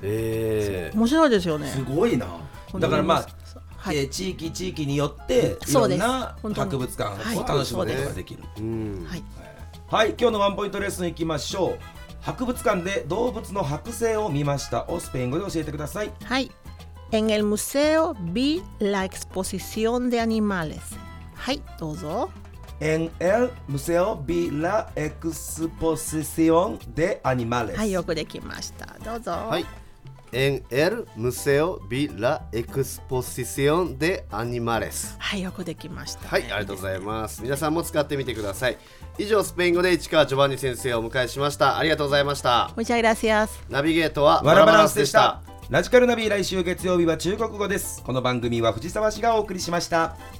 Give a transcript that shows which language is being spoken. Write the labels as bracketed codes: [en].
[ja] 面白いですよね。すごいな。だからまあ、はい、地域地域によっていろんな博物館を楽しむことができる。はい、はい、今日のワンポイントレッスンいきましょう。博物館で動物の剥製を見ましたをスペイン語で教えてください。はい、 [es] En el museo vi la exposición de animales. [ja] はい、どうぞ。 [es] En el museo vi la exposición de animales. [ja] はい、よくできました、どうぞ。はい、 [es] En el museo vi la exposición de animales. [ja] はい、よくできました。はい、ありがとうございます。皆さんも使ってみてください。以上、スペイン語で市川ジョバンニ先生をお迎えしました。ありがとうございました。 [es] Muchas gracias。 [ja] ナビゲートはワラバランスでした。ラジカルナビ、来週月曜日は中国語です。この番組は藤沢市がお送りしました。